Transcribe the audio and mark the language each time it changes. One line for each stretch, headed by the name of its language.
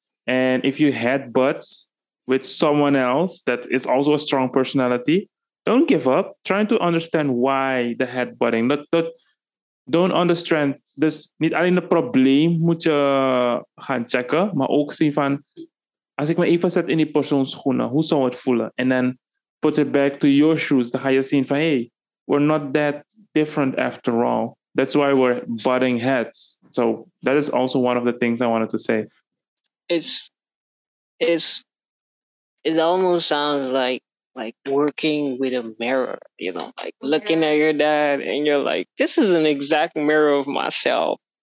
English: And if you had butts with someone else that is also a strong personality, don't give up. Try to understand why the headbutting. Don't understand.
Dutch: Dus niet alleen het probleem moet je gaan checken, maar ook zien van, als ik me even zet in die persoon's schoenen, hoe zou het voelen? En dan
English: put it back to your shoes.
Dutch: Dan ga je zien van,
English: hey, we're not that different after all. That's why we're butting heads. So that is also one of the things I wanted to say. It almost sounds like working with a mirror, you know, like looking at your dad and you're like, this is an exact mirror of myself.